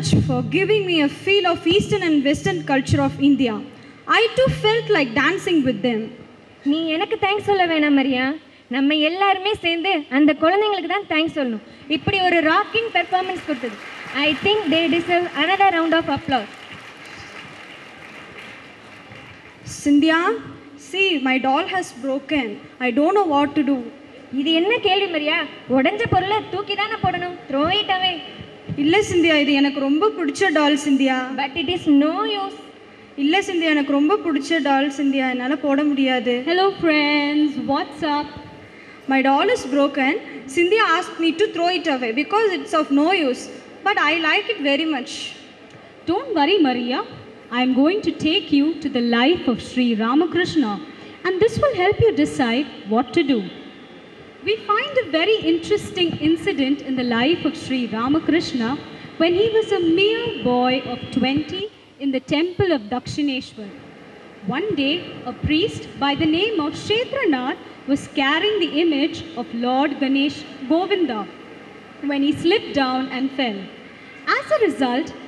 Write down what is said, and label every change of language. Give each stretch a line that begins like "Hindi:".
English: Western culture of India. I too felt like dancing with them.
Tamil: நீ எனக்கு thanks சொல்ல வேணாம் மரியா. நம்ம எல்லாருமே சேர்ந்து அந்த குழந்தைகளுக்கு தான் தேங்க்ஸ் சொல்லணும். இப்படி ஒரு ராக்கிங் பெர்ஃபார்மன்ஸ் கொடுத்தது.
English: I think they deserve another round of applause. Cynthia, see my doll has broken. I don't know what to do.
Tamil: இது என்ன கேள்வி மரியா? உடைஞ்ச பொருளை தூக்கி தானே போடணும்.
English: Throw it away.
Tamil: இல்லை சிந்தியா, இது எனக்கு ரொம்ப பிடிச்ச டால் Scindia.
English: But it is no use.
Tamil: இல்லை சிந்தியா, எனக்கு ரொம்ப பிடிச்ச டால் சிந்தியா, என்னால் போட முடியாது.
English: Hello friends, what's up? My doll is broken. Cynthia ask me to throw it away because it's of no use. But I like it very much. Don't worry Maria, I am going to take you to the life of Shri Ramakrishna and this will help you decide what to do. We find a very interesting incident in the life of Sri Ramakrishna when he was a mere boy of 20 in the temple of Dakshineshwar. One day, a priest by the name of Kshetranath was carrying the image of Lord Ganesh Govinda when he slipped down and fell. As a result,